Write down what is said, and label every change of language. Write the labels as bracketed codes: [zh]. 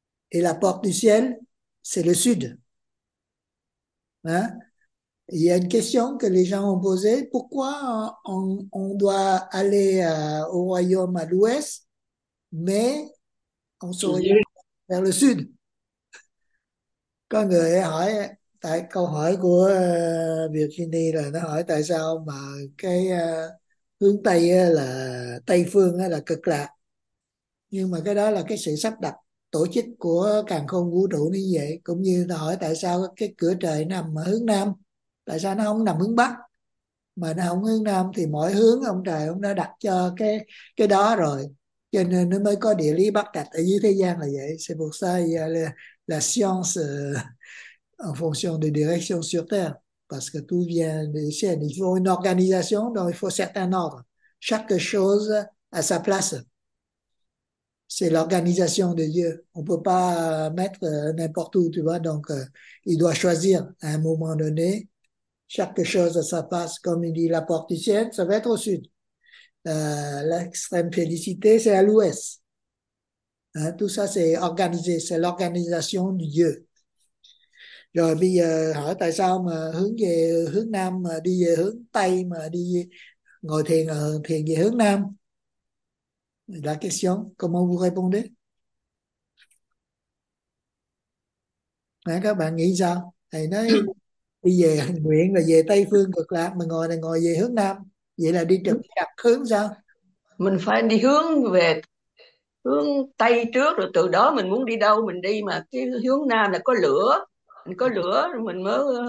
[fr] Et la porte du ciel, c'est le sud. Hein? Il y a une question que les gens ont posée. Pourquoi on doit aller au royaume à l'ouest, mais on s'oriente vers le sud? [vi] Có người hỏi, tại câu hỏi của Virginie là nó hỏi tại sao mà cái hướng Tây là Tây Phương là cực lạc. Nhưng mà cái đó là cái sự sắp đặt tổ chức của càn khôn vũ trụ như vậy, cũng như hỏi tại sao cái cửa trời nằm ở hướng Nam tại sao nó không nằm hướng Bắc mà nó không hướng Nam, thì mọi hướng ông trời ông đã đặt cho cái đó rồi, cho nên nó mới có địa lý bắc đặt ở dưới thế gian là vậy. [fr] C'est pour ça la science en fonction de direction sur terre, parce que tout vient de ciel. Il faut une organisation, donc il faut certain ordre. Chaque chose a sa place. C'est l'organisation de Dieu. On ne peut pas mettre n'importe où, tu vois. Donc, il doit choisir à un moment donné. Chaque chose a sa place. Comme il dit, la porte du ciel, ça va être au sud. L'extrême félicité, c'est à l'ouest. Hein, tout ça, c'est organisé. C'est l'organisation de Dieu. [vi] Rồi bây giờ hỏi tại sao mà hướng về hướng Nam mà đi về hướng Tây, mà đi ngồi thiền ở thiền về hướng Nam? [fr] La question, comment vous répondez? [vi] Đấy, các bạn nghĩ sao? Thầy nói đi về nguyện là về Tây phương cực lạc, mà ngồi này ngồi về hướng Nam. Vậy là đi trật lạc hướng sao? Mình phải đi hướng về hướng Tây trước, rồi từ đó mình muốn đi đâu mình đi, mà cái hướng Nam là có lửa, mình có lửa rồi mình mới